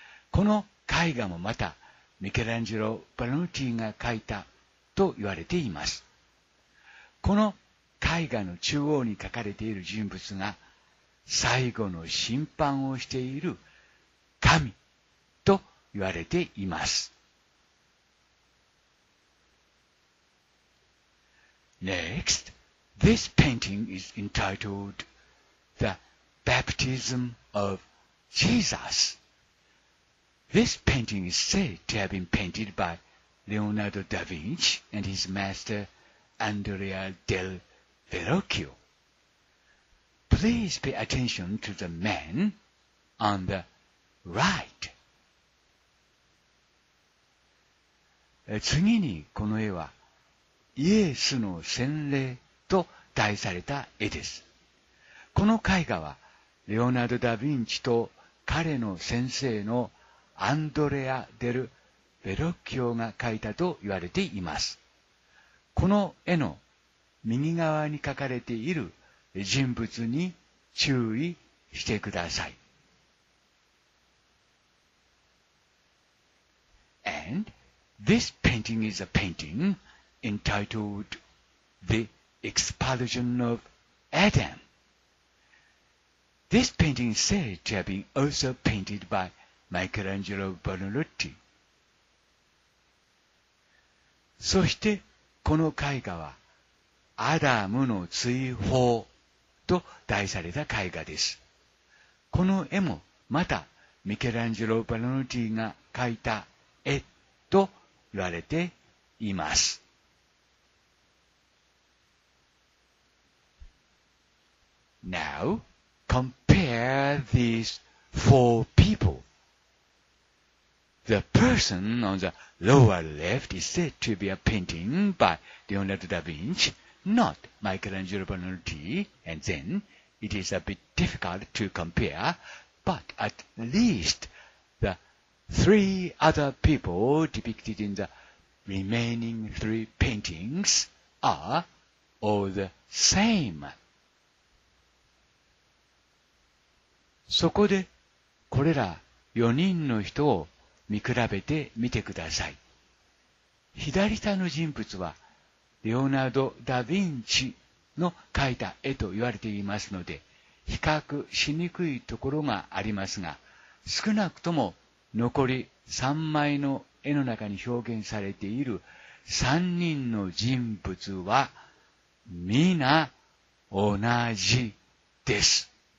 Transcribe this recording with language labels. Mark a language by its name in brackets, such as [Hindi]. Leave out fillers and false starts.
[Japanese] この絵画もまたミケランジェロ・バラノティが描いたと言われています。この絵画の中央に描かれている人物が最後の審判をしている神と言われています。 [English] Next, this painting is entitled The Baptism of Jesus. This painting is said to have been painted by Leonardo da Vinci and his master Andrea del Verrocchio. Please pay attention to the man on the right. [Japanese] 次にこの絵はイエスの洗礼と題された絵です。この絵画はレオナルド・ダ・ヴィンチと彼の先生のアンドレア・デル・ヴェロッキオが描いたと言われています。この絵の右側に描かれている人物に注意してください。 [English] And this painting is a paintingEntitled The Expulsion of Adam. This painting is said to have been also painted by Michelangelo Buonarroti. [Japanese] そしてこの絵画はアダムの追放と題された絵画です。この絵もまたミケランジェロ・バルノッティが描いた絵と言われています。 [English] Now, compare these four people. The person on the lower left is said to be a painting by Leonardo da Vinci, not Michelangelo Buonarroti, and then it is a bit difficult to compare, but at least the three other people depicted in the remaining three paintings are all the same. [Japanese] そこでこれら4人の人を見比べてみてください。左下の人物はレオナルド・ダ・ヴィンチの描いた絵と言われていますので比較しにくいところがありますが、少なくとも残り3枚の絵の中に表現されている3人の人物は皆同じです。